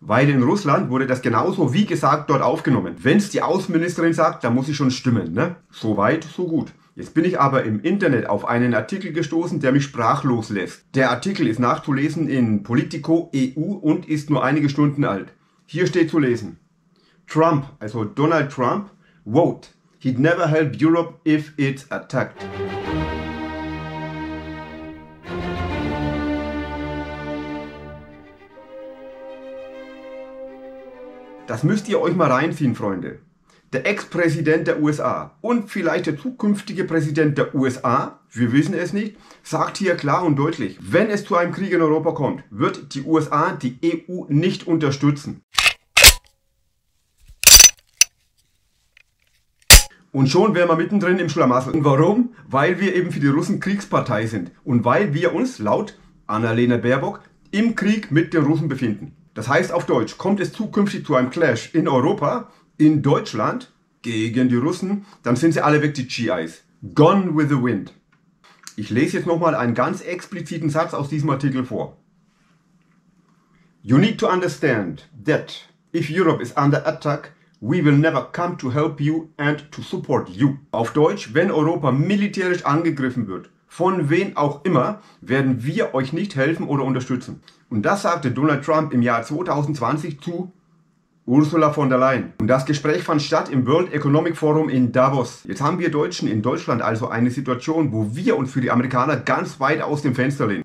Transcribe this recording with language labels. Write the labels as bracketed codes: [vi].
[de] Weil in Russland wurde das genauso wie gesagt dort aufgenommen. Wenn es die Außenministerin sagt, dann muss ich schon stimmen, ne? So weit, so gut. Jetzt bin ich aber im Internet auf einen Artikel gestoßen, der mich sprachlos lässt. Der Artikel ist nachzulesen in Politico EU und ist nur einige Stunden alt. Hier steht zu lesen. [en] Trump, also Donald Trump, wrote, he'd never help Europe if it's attacked. [de] Das müsst ihr euch mal reinziehen, Freunde. Der Ex-Präsident der USA und vielleicht der zukünftige Präsident der USA, wir wissen es nicht, sagt hier klar und deutlich, wenn es zu einem Krieg in Europa kommt, wird die USA die EU nicht unterstützen. Und schon wären wir mittendrin im Schlamassel. Und warum? Weil wir eben für die Russen Kriegspartei sind. Und weil wir uns, laut Annalena Baerbock, im Krieg mit den Russen befinden. Das heißt auf Deutsch, kommt es zukünftig zu einem Clash in Europa, in Deutschland, gegen die Russen, dann sind sie alle weg, die GIs. [en] Gone with the wind. [de] Ich lese jetzt nochmal einen ganz expliziten Satz aus diesem Artikel vor. [en] You need to understand that if Europe is under attack, we will never come to help you and to support you. [de] Auf Deutsch, wenn Europa militärisch angegriffen wird, von wem auch immer, werden wir euch nicht helfen oder unterstützen. Und das sagte Donald Trump im Jahr 2020 zu Ursula von der Leyen. Und das Gespräch fand statt im World Economic Forum in Davos. Jetzt haben wir Deutschen in Deutschland also eine Situation, wo wir uns für die Amerikaner ganz weit aus dem Fenster lehnen.